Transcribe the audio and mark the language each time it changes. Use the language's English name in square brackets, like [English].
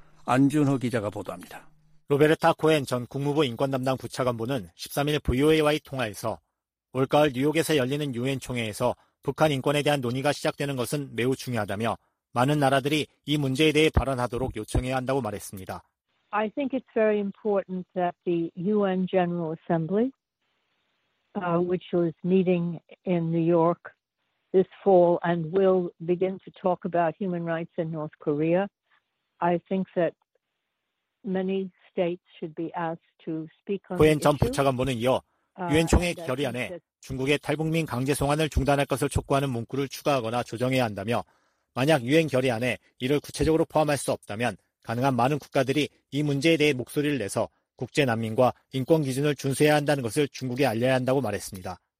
[Korean] 안준호 기자가 보도합니다. 로베르타 코엔 전 국무부 인권담당 부차관보는 13일 VOA와의 통화에서 올가을 뉴욕에서 열리는 유엔 총회에서 북한 인권에 대한 논의가 시작되는 것은 매우 중요하다며 많은 나라들이 이 문제에 대해 발언하도록 요청해야 한다고 말했습니다. [English] I think it's very important that the UN General Assembly, which was meeting in New York this fall and will begin to talk about human rights in North Korea, I think that many states should be asked to speak on. [Korean] 코엔 전 부차관보는 이어 유엔 총회 결의안에 중국의 탈북민 강제 송환을 중단할 것을 촉구하는 문구를 추가하거나 조정해야 한다며 만약 유엔 결의안에 이를 구체적으로 포함할 수 없다면 가능한 많은 국가들이 이 문제에 대해 목소리를 내서 국제난민과 인권 기준을 준수해야 한다는 것을 중국에 알려야 한다고 말했습니다.